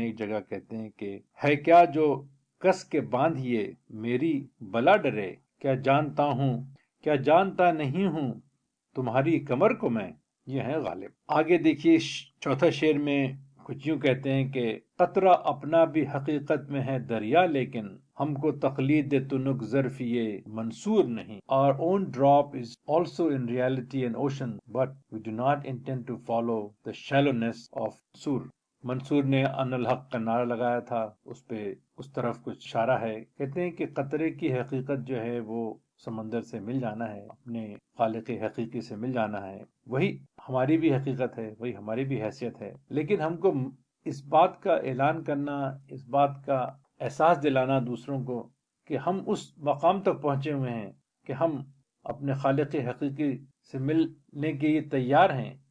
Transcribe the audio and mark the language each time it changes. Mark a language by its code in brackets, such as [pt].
[ur] ایک جگہ کہتے ہیں کہ ہے کیا جو کس کے باندھیے میری بلا ڈرے, کیا جانتا ہوں کیا جانتا نہیں ہوں تمہاری کمر کو میں. یہ ہے غالب. آگے دیکھیے چوتھا شعر میں کچھ یوں کہتے ہیں کہ قطرہ اپنا بھی حقیقت میں ہے دریا, لیکن ہم کو تقلید دے تنک ظرفیے منصور نہیں. [en] Our own drop is also in reality an ocean, but we do not intend to follow the shallowness of sur. [ur] منصور نے ان الحق کا نعرہ لگایا تھا, اس پہ اس طرف کچھ اشارہ ہے. کہتے ہیں کہ قطرے کی حقیقت جو ہے وہ سمندر سے مل جانا ہے, اپنے خالق حقیقی سے مل جانا ہے. وہی ہماری بھی حقیقت ہے, وہی ہماری بھی حیثیت ہے, لیکن ہم کو اس بات کا اعلان کرنا, اس بات کا احساس دلانا دوسروں کو کہ ہم اس مقام تک پہنچے ہوئے ہیں کہ ہم اپنے خالق حقیقی سے ملنے کے لیے تیار ہیں.